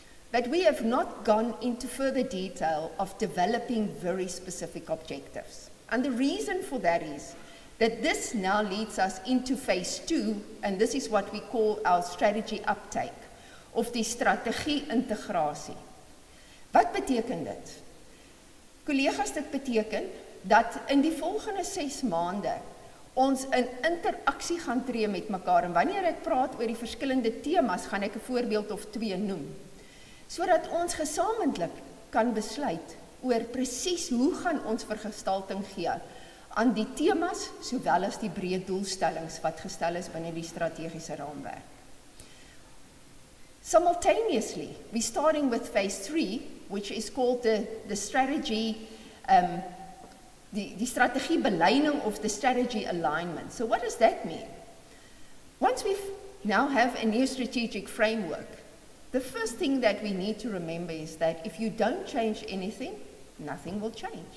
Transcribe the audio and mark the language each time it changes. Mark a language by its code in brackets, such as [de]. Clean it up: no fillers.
[en] But we have not gone into further detail of developing very specific objectives. And the reason for that is that this now leads us into phase two, and this is what we call our strategy uptake, of the [af] strategie integrasie. Wat beteken dit? Collega's, dit beteken dat in die volgende 6 maande ons in interaksie gaan tree met mekaar, en wanneer ek praat oor die verskillende themas, gaan ek 'n voorbeeld of twee noem, sodat ons gesamentlik kan besluit oor presies hoe gaan ons vergestalting gee aan die temas, sowel as die breë doelstellings wat gestel is binne die strategiese raamwerk. [en] Simultaneously, we're starting with phase three, which is called the strategy, the [af] strategie belyning of [en] the strategy alignment. So what does that mean? Once we now have a new strategic framework, the first thing that we need to remember is that if you don't change anything, nothing will change.